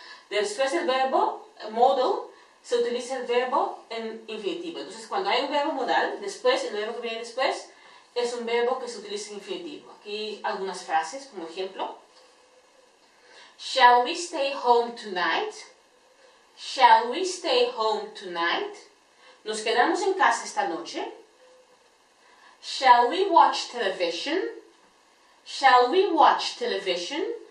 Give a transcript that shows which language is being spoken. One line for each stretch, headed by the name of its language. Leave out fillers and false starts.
Spanish: Después del verbo modal, se utiliza el verbo en infinitivo. Entonces, cuando hay un verbo modal, después, el verbo que viene después, es un verbo que se utiliza en infinitivo. Aquí algunas frases, como ejemplo.
English: Shall we stay home tonight? Shall we stay home tonight?
Spanish: ¿Nos quedamos en casa esta noche?
English: Shall we watch television? Shall we watch television?